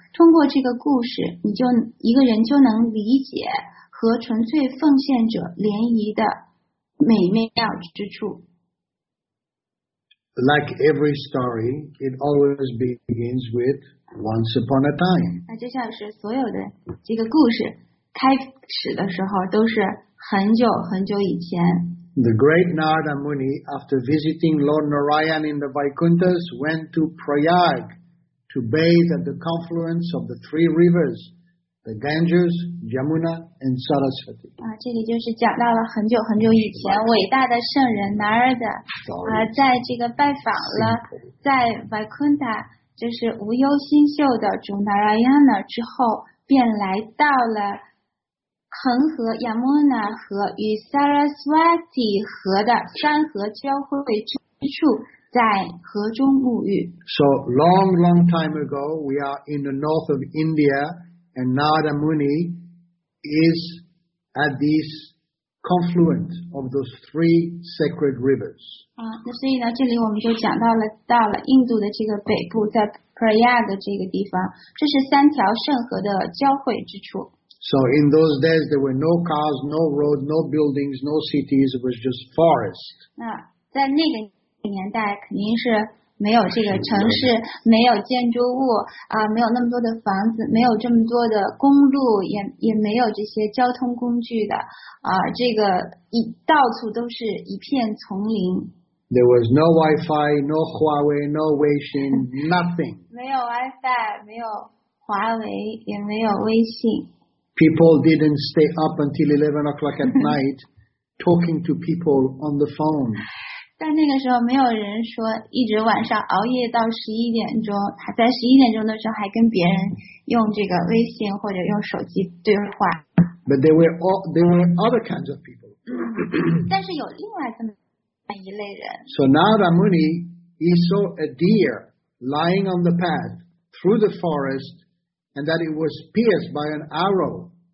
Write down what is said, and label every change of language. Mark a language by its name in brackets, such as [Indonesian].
[Chinese] 通过这个故事，一个人就能理解和纯粹奉献者联谊的美妙之处。 [English] Like every story, it always begins with once upon a time. [Chinese] 那就像是所有的这个故事开始的时候都是很久很久以前。 [English] The great Narada Muni, after visiting Lord Narayan in the Vaikunthas, went to Prayag to bathe at the confluence of the three rivers, the Ganges, Yamuna, and Saraswati. [Chinese] 啊，这里就是讲到了很久很久以前，伟大的圣人 Narada 啊，在这个拜访了在 Vaikuntha 就是无忧心秀的主 Narayana 之后，便来到了。恒河 Yamuna 河与 Saraswati 河的山河交汇之处，在河中沐浴。 [English] So long, long time ago, we are in the north of India, and Narada Muni is at this confluence of those three sacred rivers. [Chinese] 啊，那所以呢，这里我们就讲到了，到了印度的这个北部，在 Prayag 的这个地方，这是三条圣河的交汇之处。 [English] So in those days, there were no cars, no road, no buildings, no cities. It was just forest. [Chinese] 那在那个年代肯定是没有这个城市，没有建筑物啊，没有那么多的房子，没有这么多的公路，也没有这些交通工具的啊，这个到处都是一片丛林。 [English] There was no Wi-Fi, no Huawei, no Weixin, nothing. [Chinese] 没有 Wi-Fi, 没有华为，也没有微信。 [English] People didn't stay up until 11 o'clock at night talking to people on the phone. [Chinese] 但那个时候没有人说一直晚上熬夜到11点钟，在11点钟的时候还跟别人用这个微信或者用手机对话。 [English] But there were other kinds of people. [Chinese] 但是有另外这么一类人。 [English] So Narada Muni, he saw a deer lying on the path through the forest,and that it was pierced by an arrow.